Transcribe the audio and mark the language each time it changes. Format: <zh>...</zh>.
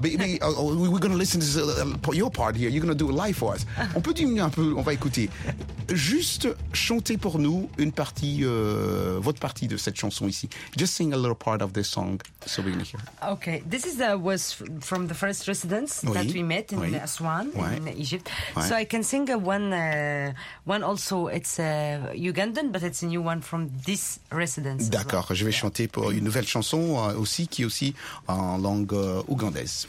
<fr>Mais</fr> <en>we're going to listen to your part here. You're going to do it live for us.</en> <fr>On peut diminuer un peu, on va écouter. Juste chanter pour nous une partie, votre partie de cette chanson ici.</fr> <en>Just sing a little part of this song so we can hear. Okay. This is was from the first residence that we met in Aswan, in Egypt.</en> <fr>Ouais.</fr> <en>So I can sing one also. It's a Ugandan, but it's a new one from this residence.</en> <fr>D'accord.</fr> <en>Well.</en> <fr>Je vais chanter pour une nouvelle chanson aussi qui est aussi en langue ougandaise.</fr>